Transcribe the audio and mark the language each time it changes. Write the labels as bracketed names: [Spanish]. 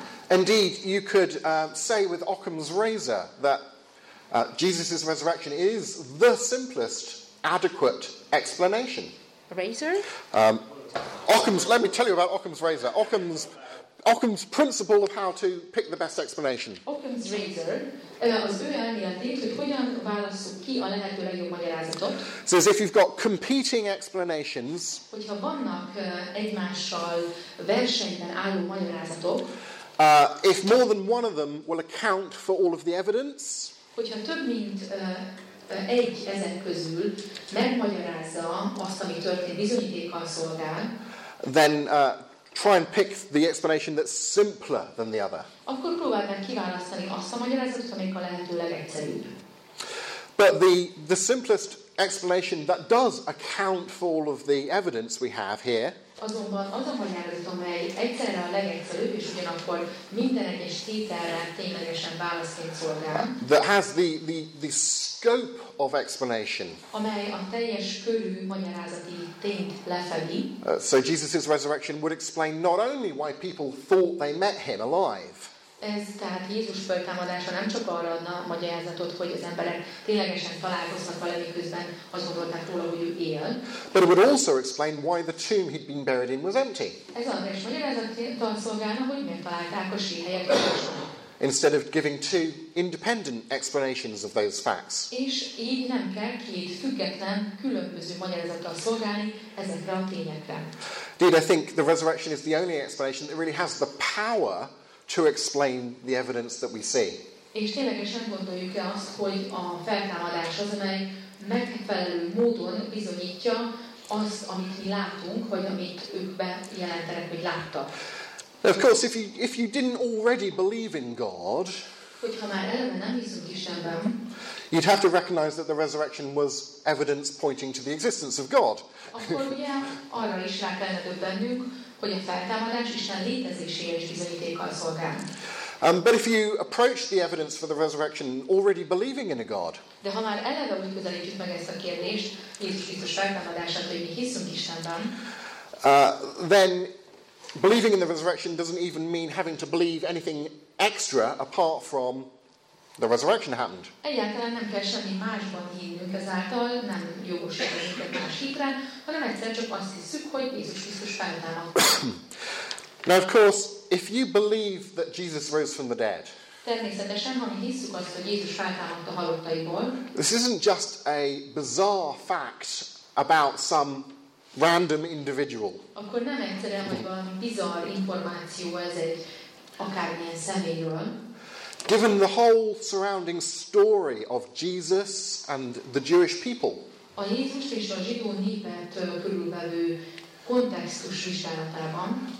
[English] Indeed, you could say with Occam's razor that Jesus' resurrection is the simplest adequate explanation. Razor? Occam's, let me tell you about Occam's razor. Occam's principle of how to pick the best explanation. [Hungarian] Occam's razor, az ő elméletét, hogy hogyan válasszuk ki a lehető legjobb magyarázatot. [English] Says if you've got competing explanations, [Hungarian] hogyha vannak egymással versenyben álló magyarázatok, [English] if more than one of them will account for all of the evidence, [Hungarian] hogyha több mint egy ezek közül megmagyarázza azt, ami történt, bizonyítékkal szolgál, [English] then try and pick the explanation that's simpler than the other. [Hungarian] Akkor próbáld meg kiválasztani azt a magyarázatot, amelyik a lehető legegyszerűbb. [English] But the simplest explanation that does account for all of the evidence we have here, [Hungarian] azonban az a magyarázat, amely egyszerre a legegyszerűbb, és ugyanakkor minden egyes tételre ténylegesen válaszként szolgál, [English] that has the scope of explanation, [Hungarian] amely a teljes körű magyarázati tényt lefedi. [English] So Jesus' resurrection would explain not only why people thought they met him alive. [Hungarian] Ez tehát Jézus föltámadása nem csak arra adna magyarázatot, hogy az emberek ténylegesen találkoznak vele, miközben azt gondolták róla, hogy ő él. [English] But it would also explain why the tomb he'd been buried in was empty. [Hungarian] Ez az is magyarázatot szolgálna, hogy miért találták a sírhelyet üresnek. [English] Instead of giving two independent explanations of those facts. [Hungarian] És így nem kell két független, különböző magyarázattal szolgálni ezekre a tényekre. [English] Did I think the resurrection is the only explanation that really has the power to explain the evidence that we see? [Hungarian] És ténylegesen gondoljuk-e azt, hogy a feltámadás az, amely megfelelő módon bizonyítja azt, amit mi látunk, vagy amit ők bejelentenek, hogy láttak. [English] Of course, if you didn't already believe in God, [Hungarian] hogyha már eleve nem hiszünk Istenben, [English] you'd have to recognize that the resurrection was evidence pointing to the existence of God. [Hungarian] Akkor ugye arra is rá kellene döbbennünk, hogy a feltámadás Isten létezésére is bizonyítékkal szolgál. [English] But if you approach the evidence for the resurrection already believing in a God, [Hungarian] de ha már eleve úgy közelítjük meg ezt a kérdést, Jézus Krisztus feltámadását, hogy mi hiszünk Istenben, [English] then believing in the resurrection doesn't even mean having to believe anything extra apart from the resurrection happened. [Hungarian] Egyáltalán nem kell semmi másban hinnünk, ezáltal nem jogosít minket más hitre, hanem egyszerűen csak azt hiszük, hogy Jézus Krisztus feltámadt. [English] Now of course, if you believe that Jesus rose from the dead, [Hungarian] természetesen, ha mi hiszük azt, hogy Jézus feltámadt a halottaiból, [English] this isn't just a bizarre fact about some random individual. [Hungarian] Akkor nem egyszerűen, hogy van bizarr információ ez egy akármilyen személyről. [English] Given the whole surrounding story of Jesus and the Jewish people. [Hungarian] A Jézus és a zsidó népet körülvevő kontextus vizsgálatában.